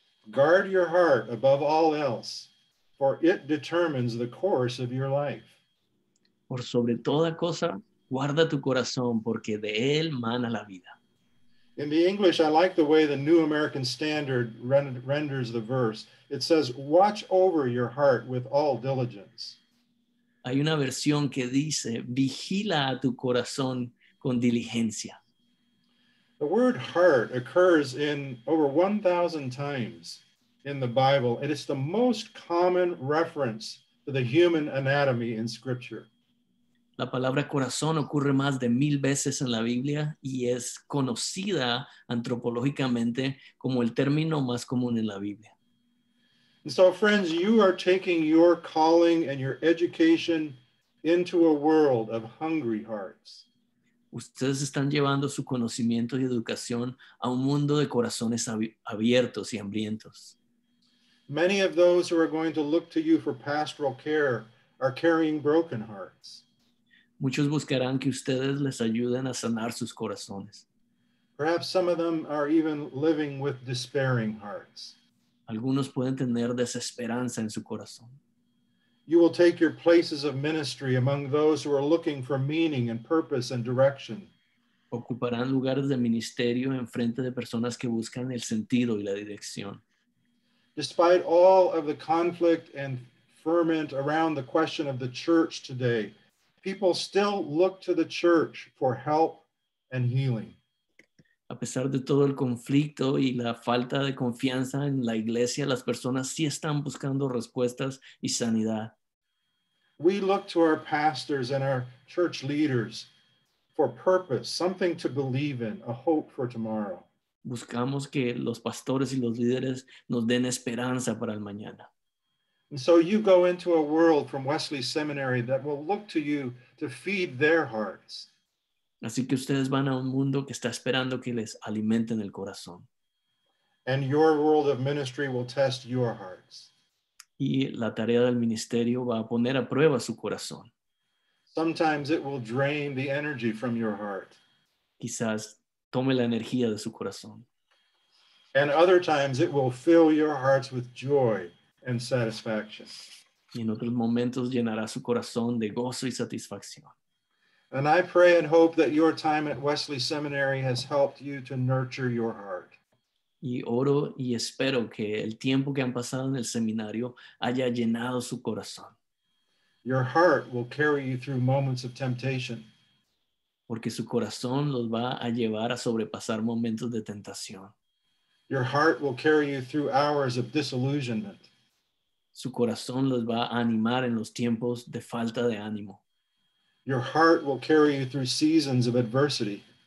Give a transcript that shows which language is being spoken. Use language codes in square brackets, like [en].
[en] Guard your heart above all else, for it determines the course of your life. [es] Por sobre toda cosa, guarda tu corazón, porque de él mana la vida. [en] In the English, I like the way the New American Standard renders the verse. It says, watch over your heart with all diligence. [es] Hay una versión que dice, vigila a tu corazón con diligencia. [en] The word heart occurs in over 1,000 times in the Bible. It is the most common reference to the human anatomy in Scripture. [es] La palabra corazón ocurre más de 1,000 veces en la Biblia y es conocida antropológicamente como el término más común en la Biblia. [en] And so, friends, you are taking your calling and your education into a world of hungry hearts. [es] Ustedes están llevando su conocimiento y educación a un mundo de corazones abiertos y hambrientos. [en] Many of those who are going to look to you for pastoral care are carrying broken hearts. [es] Muchos buscarán que ustedes les ayuden a sanar sus corazones. [en] Perhaps some of them are even living with despairing hearts. [es] Algunos pueden tener desesperanza en su corazón. [en] You will take your places of ministry among those who are looking for meaning and purpose and direction. [es] Ocuparán lugares de ministerio en frente de personas que buscan el sentido y la dirección. [en] Despite all of the conflict and ferment around the question of the church today, people still look to the church for help and healing. [es] A pesar de todo el conflicto y la falta de confianza en la iglesia, las personas sí están buscando respuestas y sanidad. [en] We look to our pastors and our church leaders for purpose, something to believe in, a hope for tomorrow. [es] Buscamos que los pastores y los líderes nos den esperanza para el mañana. [en] And so you go into a world from Wesley Seminary that will look to you to feed their hearts. [es] Así que ustedes van a un mundo que está esperando que les alimenten el corazón. [en] And your world of ministry will test your hearts. [es] Y la tarea del ministerio va a poner a prueba su corazón. [en] Sometimes it will drain the energy from your heart. [es] Quizás tome la energía de su corazón. [en] And other times it will fill your hearts with joy and satisfaction. [es] Y en otros momentos llenará su corazón de gozo y satisfacción. [en] And I pray and hope that your time at Wesley Seminary has helped you to nurture your heart. [es] Y oro y espero que el tiempo que han pasado en el seminario haya llenado su corazón. [en] Your heart will carry you through moments of temptation. [es] Porque su corazón los va a llevar a sobrepasar momentos de tentación. [en] Your heart will carry you through hours of disillusionment. [es] Su corazón los va a animar en los tiempos de falta de ánimo. [en] Your heart will carry you through seasons of adversity.